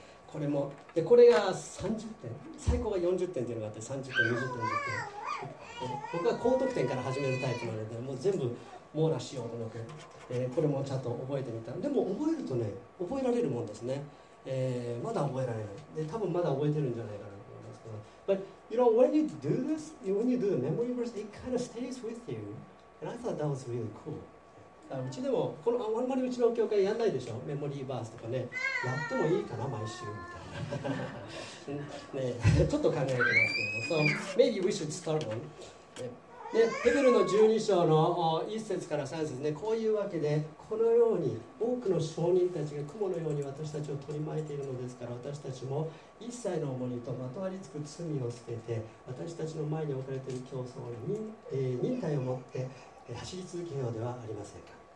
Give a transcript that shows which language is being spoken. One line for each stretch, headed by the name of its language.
Japanese: これも、で、これが30点、最高が40点っていうのがあって、30点、20点、20点。僕は高得点から始めるタイプなので、もう全部網羅しようと思って、これもちゃんと覚えてみた。でも覚えるとね、覚えられるもんですね。まだ覚えられない。で、多分まだ覚えてるんじゃないかなと思いますけど。
English: But you know, when you do this, when you do memory verse, it kind of stays with you. And I thought that was really cool.
Japanese: うちでも、このあんまりうちの教会やんないでしょ、メモリーバースとかね。やってもいいかな、毎週みたいな。ね、ちょっと考えてますけど。
English: So maybe we should start one.
Japanese: でヘブルの12章の1節から3節ね、こういうわけで、このように多くの証人たちが雲のように私たちを取り巻いているのですから、私たちも一切の重荷とまとわりつく罪を捨てて、私たちの前に置かれている競争に、忍耐を持って走り続けようではありませんか。